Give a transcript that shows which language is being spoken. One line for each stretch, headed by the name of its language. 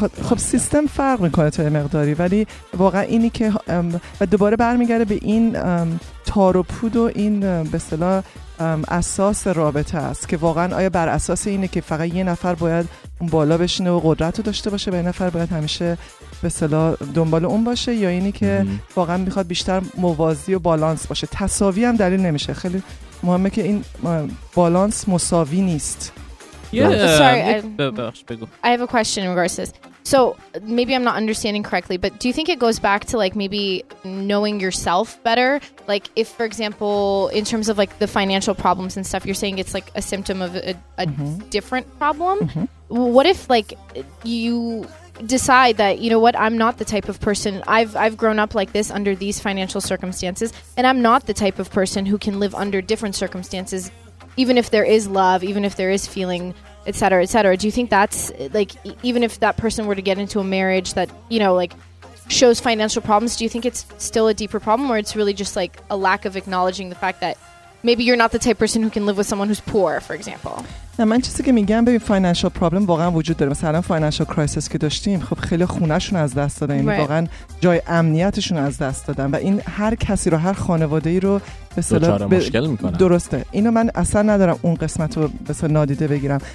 Persian: خب سیستم فرق میکنه تا یه مقداری، ولی واقعا اینی که و دوباره برمیگره به این تار و پود و این به اصطلاح اساس رابطه است که واقعا آیا بر اساس اینه که فقط یه نفر باید اون بالا بشینه و قدرت رو داشته باشه و یه نفر باید همیشه به اصطلاح دنبال اون باشه، یا اینی که واقعا میخواد بیشتر موازی و بالانس باشه. تساوی هم دلیل نمیشه، خیلی مهمه که این بالانس مساوی نیست.
English: I have a question in regards to this. So maybe I'm not understanding correctly, but do you think it goes back to like maybe knowing yourself better? Like if, for example, in terms of like the financial problems and stuff, you're saying it's like a symptom of a different problem. Mm-hmm. What if like you decide that, you know what, I'm not the type of person, I've grown up like this under these financial circumstances, and I'm not the type of person who can live under different circumstances, even if there is love, even if there is feeling, et cetera, et cetera. Do you think that's like, even if that person were to get into a marriage that, you know, like shows financial problems, do you think it's still a deeper problem, or it's really just like a lack of acknowledging the fact that maybe you're not the type of person who can live with someone who's poor, for example?
Persian: نه من چیزی که میگم ببین فاینانشال پرابلم واقعا وجود داره. مثلا فاینانشال کرایسیس که داشتیم، خب خیلی خونهشون از دست دادن، یعنی واقعا جای امنیتشون از دست دادن، و این هر کسی رو هر خانواده‌ای رو به اصطلاح مشکل میکنه. درسته، اینو من اصلا ندارم اون قسمت رو به اصطلاح نادیده بگیرم.